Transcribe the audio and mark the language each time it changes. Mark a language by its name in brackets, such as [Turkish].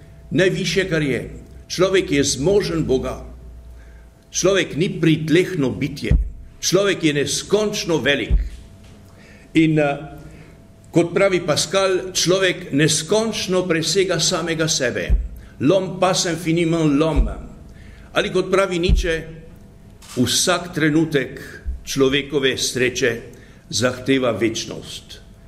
[Slovenian] Najvišje, kar je. Človek je zmožen Boga. Človek ni pritlehno bitje. Človek je neskončno velik. In kot pravi Pascal, človek neskončno presega samega sebe. [French] L'homme passe infiniment l'homme. [Slovenian] Ali kot pravi Nietzsche, vsak trenutek človekove sreče zahteva večnost.